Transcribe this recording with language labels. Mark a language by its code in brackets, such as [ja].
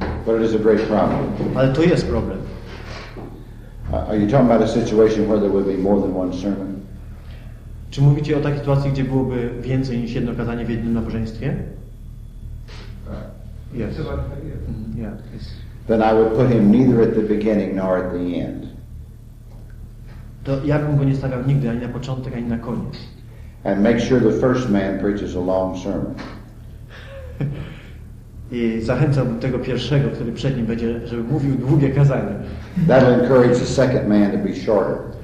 [en] But it is a great problem. [pl] Ale to jest problem. [en] Are you talking about a situation where there would be more than one sermon? [pl] Czy mówicie o takiej sytuacji, gdzie byłoby więcej niż jedno kazanie w jednym nabożeństwie? Tak. [en] Yes. Then I would put him neither at the beginning nor at the end. [pl] To ja bym go nie stawiał nigdy ani na początek, ani na koniec. [en] And make sure the first man preaches a long sermon. [pl] I zachęcałbym tego pierwszego, który przed nim będzie, żeby mówił długie kazanie. [en] That'll encourage the second man to be shorter.